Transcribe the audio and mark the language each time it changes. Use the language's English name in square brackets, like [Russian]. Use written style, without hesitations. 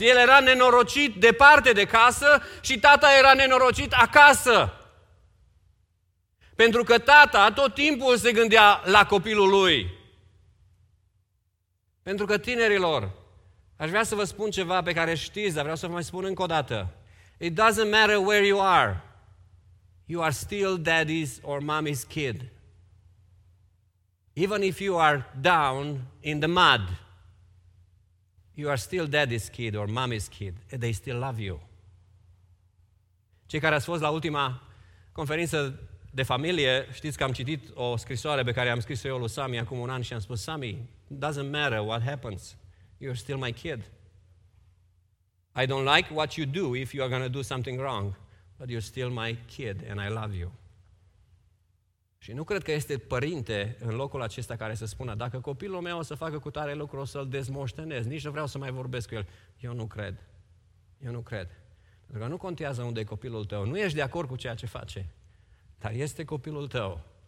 [Romanian] El era nenorocit departe de casă și tata era nenorocit acasă. Pentru că tata tot timpul se gândea la copilul lui. Pentru că tinerilor, aș vrea să vă spun ceva pe care știți, dar vreau să vă mai spun încă o dată. [English] It doesn't matter where you are. You are still daddy's or mommy's kid. Even if you are down in the mud, you are still daddy's kid or mommy's kid, and they still love you. [Romanian] Cei care ați fost la ultima conferință de familie, știți că am citit o scrisoare pe care am scris-o eu lui Sammy acum un an și am spus, Sammy, [English] doesn't matter what happens, you're still my kid. I don't like what you do if you are going to do something wrong, but you're still my kid and I love you. [Romanian] Și nu cred că este părinte în locul acesta care să spună, dacă copilul meu o să facă cu tare lucru, o să-l dezmoștenez, nici nu vreau să mai vorbesc cu el. Eu nu cred. Eu nu cred. Pentru că nu contează unde e copilul tău. Nu ești de acord cu ceea ce face, dar este copilul tău.